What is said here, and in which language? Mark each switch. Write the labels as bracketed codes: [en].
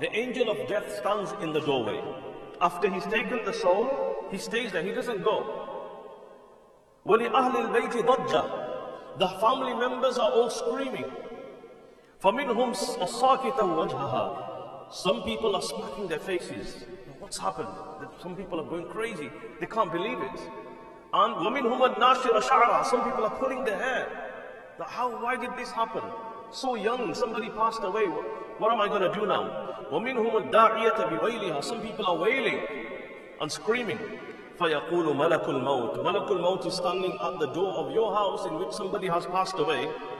[en] The angel of death stands in the doorway. After he's taken the soul, he stays there, he doesn't go. [ar] وَلِأَهْلِ الْبَيْتِ ضَجَّةِ. [en] The family members are all screaming. [ar] فَمِنْهُمْ أَصَّاكِتَ وَجْهَهَا. [en] Some people are smacking their faces. What's happened? Some people are going crazy. They can't believe it. And [ar] وَمِنْهُمْ النَّاشِرَ شَعْرَ. [en] Some people are pulling their hair. How? Why did this happen? So young, somebody passed away. What am I going to do now? [ar] وَمِنْهُمْ الدَّاعِيَةَ بِوَيْلِهَا. [en] Some people are wailing and screaming. [ar] فَيَقُولُ مَلَكُ الْمَوْتِ. [en] مَلَكُ الْمَوْتِ is standing at the door of your house in which somebody has passed away.